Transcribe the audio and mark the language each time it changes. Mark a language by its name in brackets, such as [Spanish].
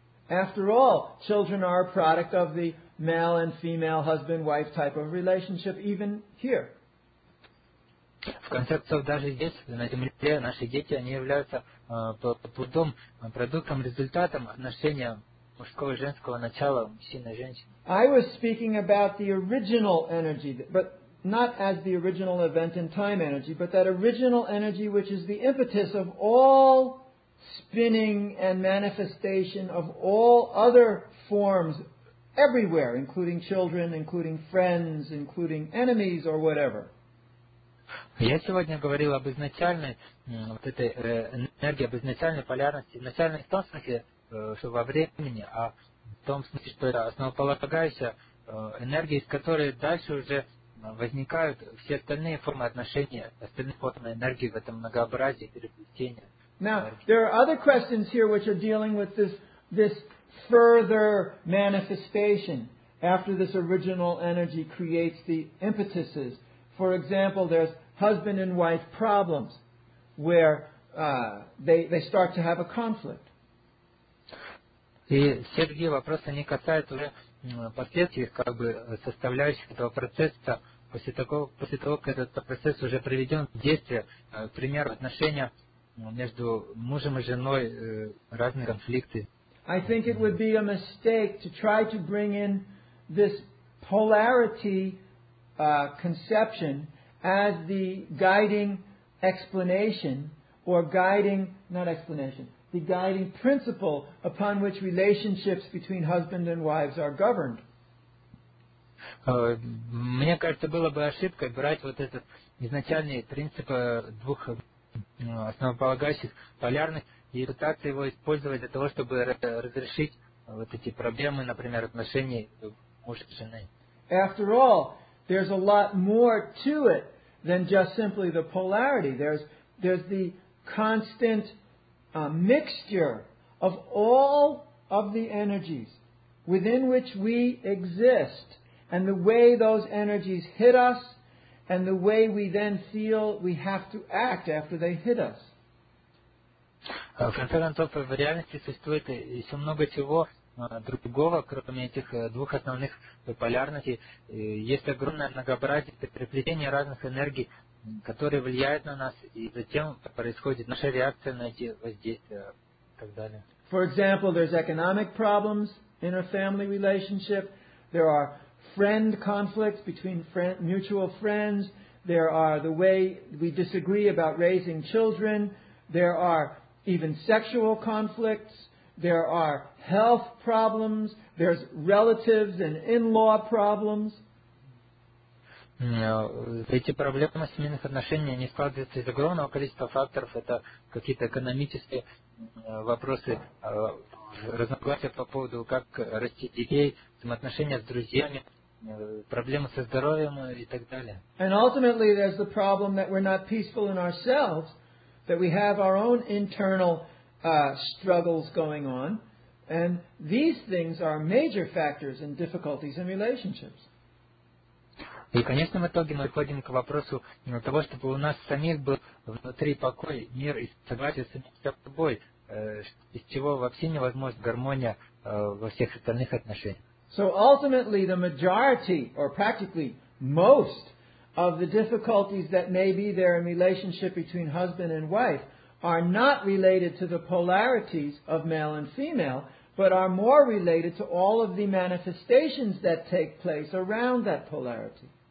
[English] After all, children are a product of the male and female husband-wife type of relationship, even here. [Russian] В конце концов, даже здесь, на Земле, наши дети, они являются плодом, продуктом, результатом отношения мужского и женского начала, мужчины и женщины. [English] I was speaking about the original energy, but not as the original event in time energy, but that original energy which is the impetus of all spinning and manifestation of all other forms everywhere, including children, including friends, including enemies or whatever. [Russian] Я сегодня говорил об изначальной вот этой энергии, об изначальной полярности. Изначальной в том смысле, что во времени, а в том смысле, что это основополагающая энергия, из которой дальше уже возникают все остальные формы отношений, остальные формы энергии в этом многообразии переплетения. [English] Now, there are other questions here which are dealing with this further manifestation after this original energy creates the impetuses. For example, there's husband and wife problems where they start to have a conflict. [Russian] И все другие вопросы не касаются уже последствий, как бы составляющих этого процесса. После того, как этот процесс уже приведен в действие, пример отношения между мужем и женой, разные конфликты. [English] I think it would be a mistake to try to bring in this polarity conception as the guiding explanation or guiding, not explanation, the guiding principle upon which relationships between husband and wives are governed. [Russian] Мне кажется, было бы ошибкой брать вот этот изначальный принцип двух основополагающих полярных и пытаться его использовать для того, чтобы разрешить вот эти проблемы, например, отношений мужа и жены. [English] After all, there's a lot more to it than just simply the polarity. There's the constant mixture of all of the energies within which we exist. And the way those energies hit us, and the way we then feel we have to act after they hit us. [Russian] В конце концов, в реальности существует еще много чего другого, кроме этих двух основных полярностей. Есть огромное многообразие переплетения разных энергий, которые влияют на нас, и затем происходит наша реакция на эти воздействия, и так далее. [English] For example, there's economic problems in a family relationship. There are friend conflicts between mutual friends. There are the way we disagree about raising children. There are even sexual conflicts. There are health problems. There's relatives and in-law problems. [Russian] Эти проблемы семейных отношений, они складываются из огромного количества факторов. Это какие-то экономические вопросы, разногласия по поводу, как расти детей, взаимоотношения с друзьями, проблемы со здоровьем и так далее. [English] And ultimately there's the problem that we're not peaceful in ourselves, that we have our own internal struggles going on, and these things are major factors in difficulties in relationships. [Russian] И, конечно, в итоге мы приходим к вопросу того, чтобы у нас самих был внутри покой, мир и согласие с собой, из чего вообще невозможна гармония во всех остальных отношениях. [English] So ultimately, the majority, or practically most, of the difficulties that may be there in relationship between husband and wife are not related to the polarities of male and female, but are more related to all of the manifestations that take place around that polarity.